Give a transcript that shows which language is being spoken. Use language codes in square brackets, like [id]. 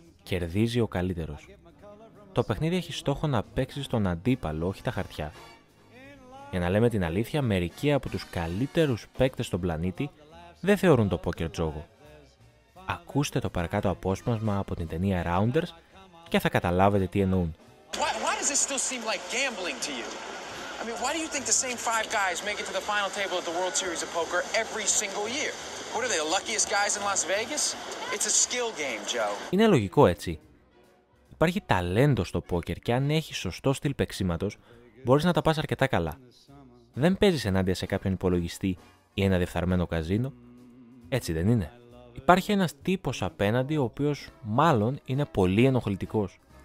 [el] Κερδίζει ο καλύτερος. Το παιχνίδι έχει στόχο να παίξει στον αντίπαλο, όχι τα χαρτιά. Για να λέμε την αλήθεια, μερικοί από τους καλύτερους παίκτες στον πλανήτη δεν θεωρούν το πόκερ τζόγο. Ακούστε το παρακάτω απόσπασμα από την ταινία Rounders και θα καταλάβετε τι εννοούν. [en] Why does this still seem like gambling to you? I mean, why do you think the same five guys make it to the final table at the World Series of Poker every single year? What are they, the luckiest guys in Las Vegas? It's a skill game, Joe. [el] Είναι λογικό, έτσι. Υπάρχει ταλέντο στο πόκερ και αν έχεις σωστό στυλ παίξηματος, μπορείς να τα πας αρκετά καλά. Δεν παίζεις ενάντια σε κάποιον υπολογιστή ή ένα διεφθαρμένο καζίνο. Έτσι δεν είναι. Υπάρχει ένας τύπος απέναντι ο οποίος μάλλον είναι πολύ ενοχλητικός.